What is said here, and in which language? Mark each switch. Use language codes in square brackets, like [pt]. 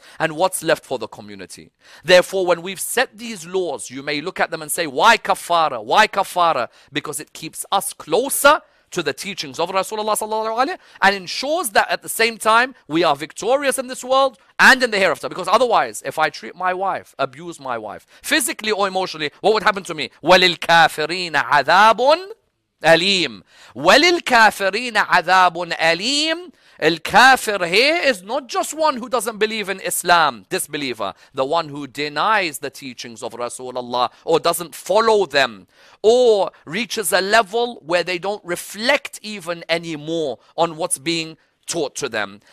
[en] And what's left for the community? Therefore, when we've set these laws, you may look at them and say, why kafara? Why kafara? Because it keeps us closer to the teachings of Rasulullah sallallahu alayhi and ensures that at the same time, we are victorious in this world and in the hereafter. Because otherwise, if I treat my wife, abuse my wife, physically or emotionally, what would happen to me? [ar] وَلِلْ كَافِرِينَ عَذَابٌ Aleem. وَلِلْكَافِرِينَ عَذَابٌ أَلِيمٌ. [en] الْكَافِر here is not just one who doesn't believe in Islam, disbeliever, the one who denies the teachings of Rasulullah or doesn't follow them or reaches a level where they don't reflect even anymore on what's being taught to them.